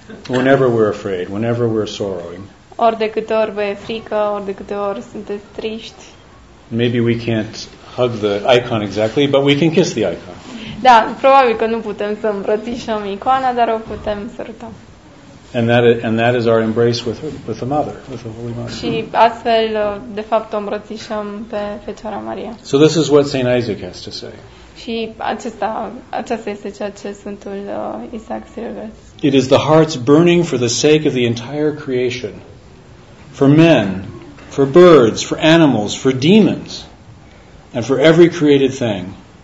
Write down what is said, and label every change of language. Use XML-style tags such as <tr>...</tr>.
<en>Whenever we're afraid, whenever we're sorrowing.</en> <ro>Ori de câte ori vă e frică, ori de câte ori sunteți triști.</ro> <en>Maybe we can't hug the icon exactly, but we can kiss the icon.</en> <ro>Da, probabil că nu putem să îmbrățișăm icoana, dar o putem săruta.</ro> <en>And that is our embrace with the mother, with the Holy Mother.</en> <ro>Și astfel, de fapt, o îmbrățișăm pe Fecioara Maria.</ro> <en>So this is what Saint Isaac has to say.</en> <ro>Și aceasta este ceea ce Sfântul Isaac Sirul.</ro> <en>It is the heart's burning for the sake of the entire creation, for men, for birds, for animals, for demons, and for every created thing.</en>